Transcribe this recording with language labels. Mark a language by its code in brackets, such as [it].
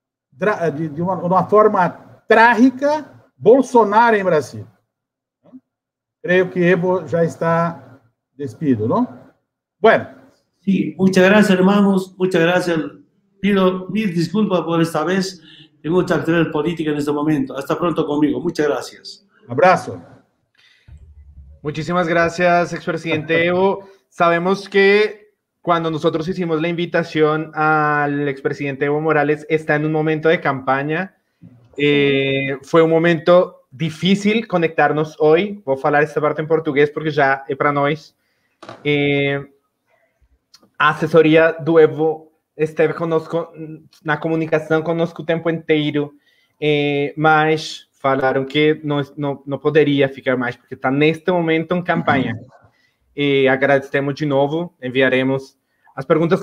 [pt] De uma forma trágica, Bolsonaro, em Brasil. Creio que Evo já está despido, não? [es] Bueno. Sim, muchas gracias, hermanos. Muchas gracias. Pido mil disculpas por esta vez. Tengo mucha actividad política en este momento. Hasta pronto conmigo. Muchas gracias. Abrazo. Muchísimas gracias, expresidente Evo. Sabemos que cuando nosotros hicimos la invitación al expresidente Evo Morales, está en un momento de campaña. Fue un momento difícil conectarnos hoy. Voy a hablar esta parte en portugués porque ya es para nosotros. [pt] Asesoría de Evo esteve conosco na comunicação conosco o tempo inteiro, mas falaram que não poderia ficar mais, porque está neste momento em campanha. E agradecemos de novo, enviaremos as perguntas.